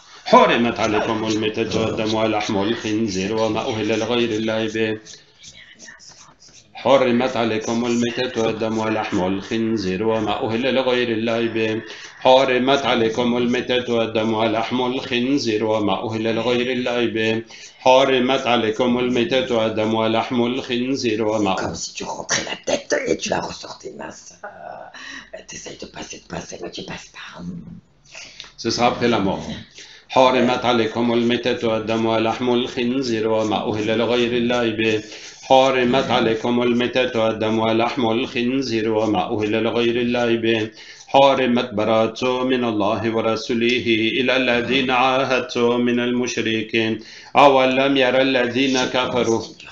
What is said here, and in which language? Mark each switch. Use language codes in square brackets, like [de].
[ar] حرمت عليكم المتجردم ولحم الخنزير وما أهل لغير الله به حرمت عليكم الميتة والدم ولحم الخنزير وما أهل لغير الله به حرمت عليكم الميتة والدم ولحم الخنزير وما أهل لغير الله به حرمت عليكم الميتة والدم ولحم الخنزير وما [fr] comme si tu rentrais la tête et tu vas ressortir mince t'essayes de passer mais tu passes pas ce sera après la mort. [ar] حرمت عليكم الميتة والدم ولحم الخنزير وما أهل لغير الله به حرمت عليكم الميتة والدم ولحم الخنزير وما أهل لغير الله به حرمت براءتكم من الله ورسوله إلى الذين عاهدتم من المشركين أولم يرى الذين كفروا.